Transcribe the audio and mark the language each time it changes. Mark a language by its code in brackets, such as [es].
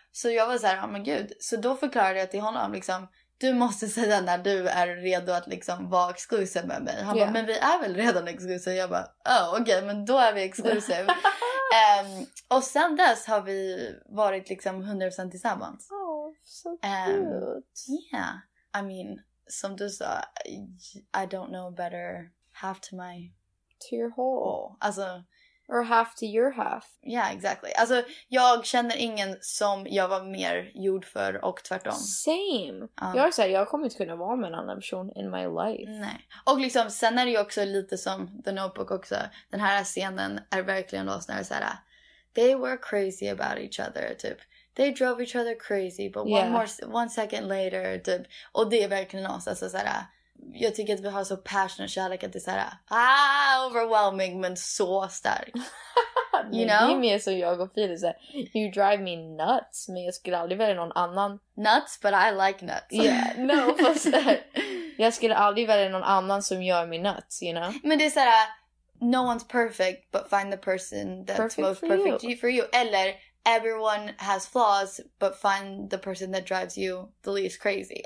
[sv] Så jag var så här, [en] oh my god. [sv] Så då förklarade jag till honom liksom... Du måste säga när du är redo att liksom vara exklusiv med mig. Han bara, men vi är väl redan exklusiv? Jag bara, okej, men då är vi exklusiv. och sen dess har vi varit liksom 100% tillsammans. Åh, så kul. Ja, [en] I mean, [sv] som du sa, [en] I don't know better half to my... To your whole. [sv] Alltså... [en] Or half to your half. Yeah, exactly. [sv] Alltså, jag känner ingen som jag var mer gjord för och tvärtom. [en] Same. [sv] Jag har sagt, jag kommer inte kunna vara med en annan person [en] in my life. [sv] Nej. Och liksom, sen är det ju också lite som The Notebook också. Den här scenen är verkligen oss när det är så här, [en] they were crazy about each other, [sv] typ. [en] They drove each other crazy, but one more, one second later, typ. [sv] Och det är verkligen oss, alltså så här... Jag tycker att vi har så passionate kärlek att det är såhär, overwhelming, men så stark. [en] You know? [sv] Det är mer som jag och Filip, såhär, [en] you drive me nuts, [sv] men jag skulle aldrig välja någon annan. [en] Nuts, but I like nuts. Yeah, no, [sv] fast såhär, jag skulle aldrig välja någon annan som gör mig nuts, [en] you know? [sv] Men det är såhär, [en] no one's perfect, but find the person that's perfect most for perfect you. For you. [sv] Eller, [en] everyone has flaws, but find the person that drives you the least crazy.